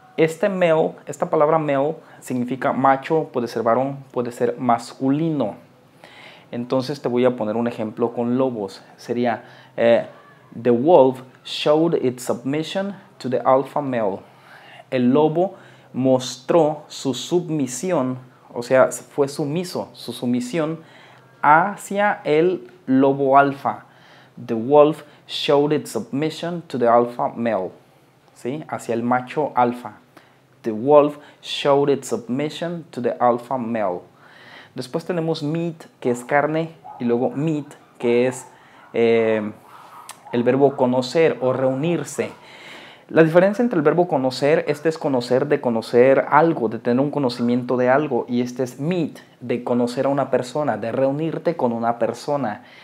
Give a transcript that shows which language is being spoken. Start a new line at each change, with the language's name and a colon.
Spanish: Este mail, esta palabra mail significa macho, puede ser varón, puede ser masculino. Entonces te voy a poner un ejemplo con lobos. Sería
English: the wolf showed its submission to the alpha male.
Spanish: El lobo mostró su submisión, o sea, fue sumiso, su sumisión hacia el lobo alfa.
English: The wolf showed its submission to the alpha male.
Spanish: ¿Sí? Hacia el macho alfa.
English: The wolf showed its submission to the alpha male.
Spanish: Después tenemos meat, que es carne, y luego meet, que es el verbo conocer o reunirse. La diferencia entre el verbo conocer, este es conocer, de conocer algo, de tener un conocimiento de algo, y este es meet, de conocer a una persona, de reunirte con una persona.